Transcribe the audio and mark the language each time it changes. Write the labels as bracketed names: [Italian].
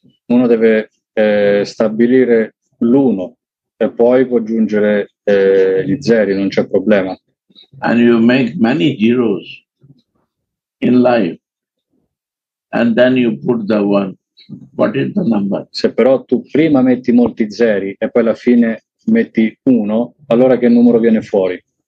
[Italian] Uno deve stabilire l'uno e poi può aggiungere gli zeri, non c'è problema. [English] And you make many heroes in life, and then you put the one. What is the number? [Italian] Se però tu prima metti molti zeri e poi alla fine metti uno, allora che numero viene fuori?